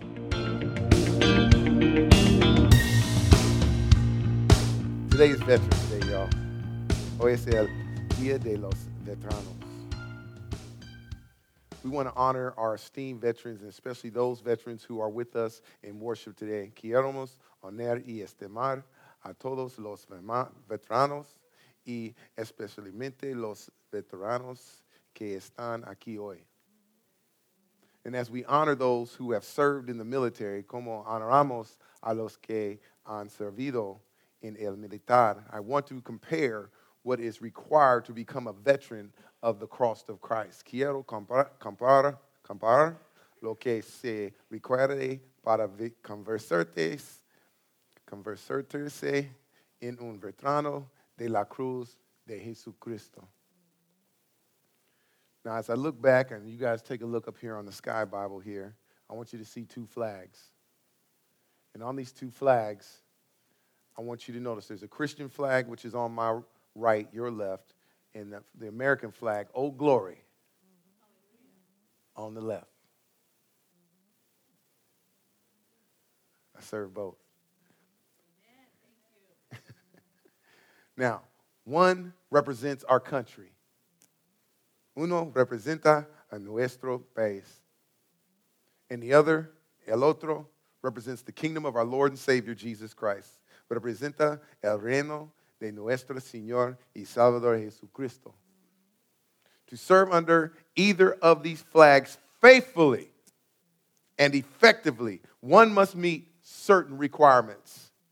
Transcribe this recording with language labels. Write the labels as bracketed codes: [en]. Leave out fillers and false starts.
[en] Today is Veterans Day, y'all. [es] Hoy es el Día de los Veteranos. [en] We want to honor our esteemed veterans, and especially those veterans who are with us in worship today. [es] Queremos honrar y estimar a todos los veteranos y especialmente los veteranos que están aquí hoy. [en] And as we honor those who have served in the military, [es] como honoramos a los que han servido en el militar, [en] I want to compare what is required to become a veteran of the cross of Christ. [es] Quiero comparar lo que se requiere para convertirse en un veterano de la cruz de Jesucristo. [en] Now, as I look back, and you guys take a look up here on the Sky Bible here, I want you to see two flags. And on these two flags, I want you to notice there's a Christian flag, which is on my right, your left, and the American flag, Old Glory, on the left. I serve both. Now, one represents our country. [es] Uno representa a nuestro país. [en] And the other, [es] el otro, [en] represents the kingdom of our Lord and Savior, Jesus Christ. [es] Representa el reino de nuestro Señor y Salvador Jesucristo. [en] To serve under either of these flags faithfully and effectively, one must meet certain requirements.